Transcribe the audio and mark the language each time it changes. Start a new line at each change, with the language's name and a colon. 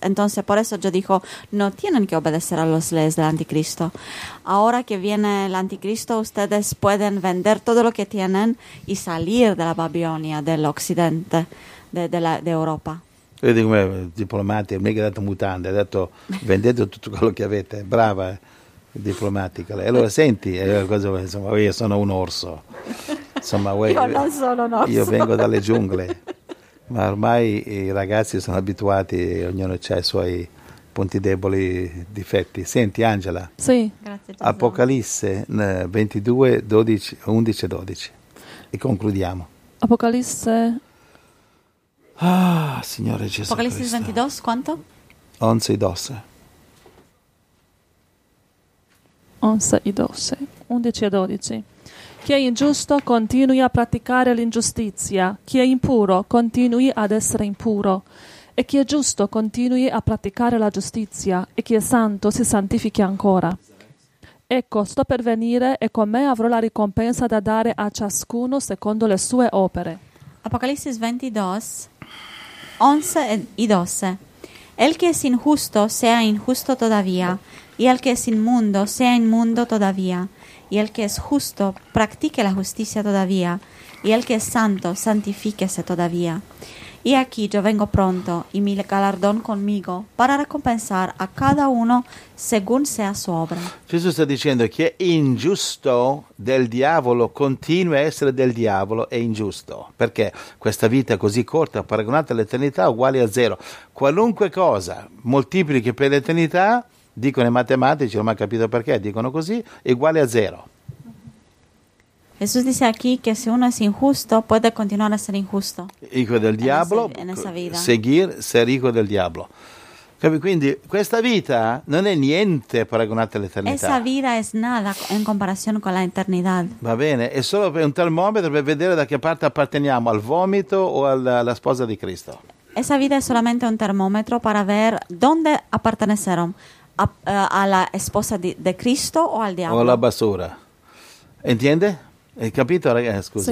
Spanish: Entonces, por eso yo digo, no tienen que obedecer a las leyes del anticristo. Ahora que viene el anticristo, ustedes pueden vender todo lo que tienen y salir de la Babilonia, del occidente, de Europa.
Italian: Io dico, beh, diplomatica, mica ha dato mutande, ha detto vendete tutto quello che avete, brava, diplomatica. E allora senti, insomma, io sono un orso. Insomma, io non sono un orso. Io vengo dalle giungle, ma ormai i ragazzi sono abituati, ognuno ha i suoi punti deboli, difetti. Senti, Angela. Sì, grazie. Apocalisse 22, 12, 11 e 12. E concludiamo. Apocalisse... Ah, Signore Gesù Apocalisse Cristo. 22, quanto? 11 e 12. 11 e 12. Chi è ingiusto continui a praticare l'ingiustizia, chi è impuro continui ad essere impuro, e chi è giusto continui a praticare la giustizia, e chi è santo si santifichi ancora. Ecco, sto per venire e con me avrò la ricompensa da dare a ciascuno secondo le sue opere. Apocalisse 22, 11 e 12.
Spanish: El que es injusto sea injusto todavía, y el que es inmundo sea inmundo todavía, y el que es justo practique la justicia todavía, y el que es santo santifíquese todavía. Y aquí yo vengo pronto, y mi galardón conmigo, para recompensar a cada uno según sea su obra.
Italian: Gesù sta dicendo che è ingiusto del diavolo, continua a essere del diavolo, è ingiusto. Perché questa vita così corta, paragonata all'eternità, uguale a zero. Qualunque cosa moltiplichi per l'eternità, dicono i matematici, non ho mai capito perché, dicono così, è uguale a zero.
Spanish: Jesús dice aquí que si uno es injusto, puede continuar a ser injusto. Hijo del diablo, seguir ser hijo del diablo.
Italian: Capi? Quindi questa vita non è niente paragonata all'eternità.
Spanish: Esa vida es nada en comparación con la eternidad.
Italian: Va bene, è solo un termometro per vedere da che parte apparteniamo, al vomito o alla sposa di Cristo.
Spanish: Esa vida es solamente un termómetro para ver dónde
Italian: appartenessero, alla sposa di Cristo
Spanish: o al diavolo.
Italian: O alla
Spanish: basura. Entiende?
Italian: Hai capito, ragazzi? Scusa,